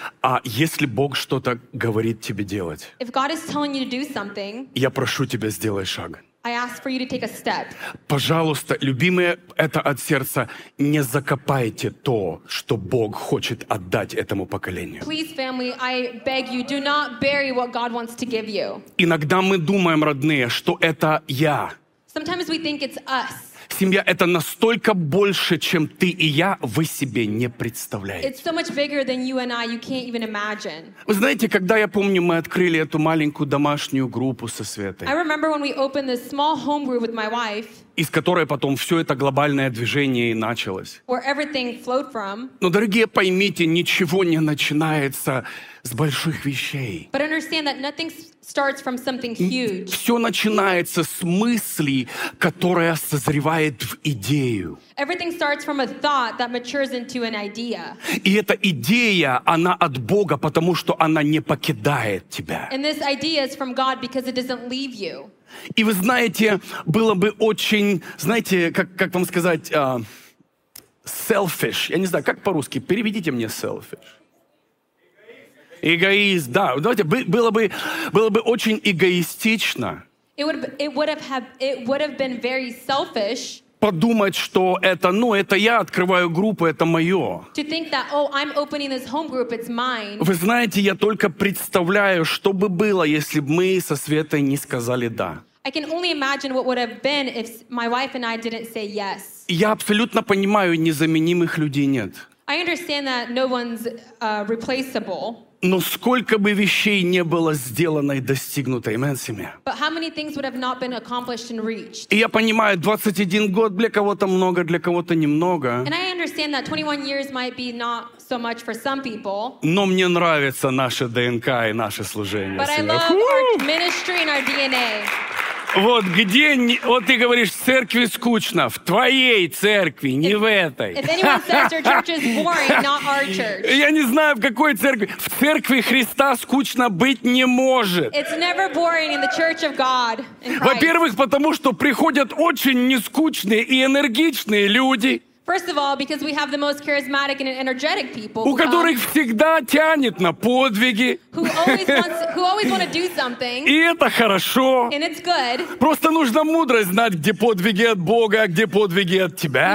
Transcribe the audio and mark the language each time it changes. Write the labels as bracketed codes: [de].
[ru] А если Бог что-то говорит тебе делать? [en] If God is telling you to do something. [ru] Я прошу тебя, сделай шаг. [en] I ask for you to take a step. [ru] Пожалуйста, любимые, это от сердца, не закопайте то, что Бог хочет отдать этому поколению. [en] Please, family, I beg you, do not bury what God wants to give you. [ru] Иногда мы думаем, родные, что это я. [en] Sometimes we think it's us. [ru] Семья — это настолько больше, чем ты и я, вы себе не представляете. [en] It's so much bigger than you and I, you can't even imagine. [ru] Вы знаете, когда я помню, мы открыли эту маленькую домашнюю группу со Светой. [en] I remember when we opened this small home group with my wife. [ru] Из которой потом все это глобальное движение и началось. [en] Where everything flowed from. [ru] Но, дорогие, поймите, ничего не начинается с больших вещей. [en] But understand that nothing starts from something huge. [ru] Все начинается с мысли, которая созревает в идею. [en] Everything starts from a thought that matures into an idea. [ru] И эта идея, она от Бога, потому что она не покидает тебя. [en] And this idea is from God because it doesn't leave you. [ru] И вы знаете, было бы очень, знаете, как вам сказать, selfish. Я не знаю, как по-русски, переведите мне selfish. Эгоист, да. Давайте, было бы очень эгоистично. [en] It would have been very selfish. [ru] Подумать, что это, ну, это я открываю группу, это мое. [en] To think that, oh, I'm opening this home group, it's mine. [ru] Вы знаете, я только представляю, что бы было, если бы мы со Светой не сказали «да». [en] I can only imagine what would have been if my wife and I didn't say yes. [ru] Я абсолютно понимаю, незаменимых людей нет. [en] I understand that no one's replaceable. [ru] Но сколько бы вещей не было сделано и достигнуто, амен, семья. [en] But how many things would have not been accomplished and reached? [ru] И я понимаю, 21 год для кого-то много, для кого-то немного. [en] And I understand that 21 years might be not so much for some people. [ru] Но мне нравится наше ДНК и наше служение. [en] But I love our ministry and our DNA. [ru] Вот где, вот ты говоришь, в церкви скучно, в твоей церкви, не [en] if, [ru] в этой. [en] Boring, [ru] я не знаю, в какой церкви. В церкви Христа скучно быть не может. [en] It's never boring in the church of God, in Christ. [ru] Во-первых, потому что приходят очень нескучные и энергичные люди. [en] First of all, because we have the most charismatic and energetic people. [ru] У которых всегда тянет на подвиги. [en] Who always want to do something. [ru] И это хорошо. [en] And it's good. [ru] Просто нужно мудрость знать, где подвиги от Бога, а где подвиги от тебя.